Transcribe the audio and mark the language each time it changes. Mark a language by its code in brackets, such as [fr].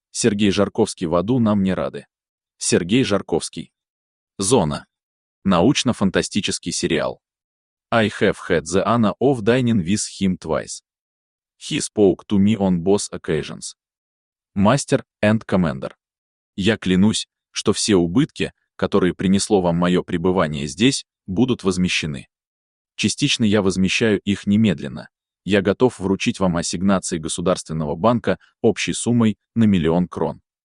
[ru] Сергей Жарковский в аду нам не рады. Сергей Жарковский. Зона. Научно-фантастический сериал. [en] I have had the honor of dining with him twice. He spoke to me on both occasions. Master and Commander. [ru] Я клянусь, что все убытки, которые принесло вам мое пребывание здесь, будут возмещены. Частично я возмещаю их немедленно. Я готов вручить вам ассигнации Государственного банка общей суммой на 1 000 000 крон.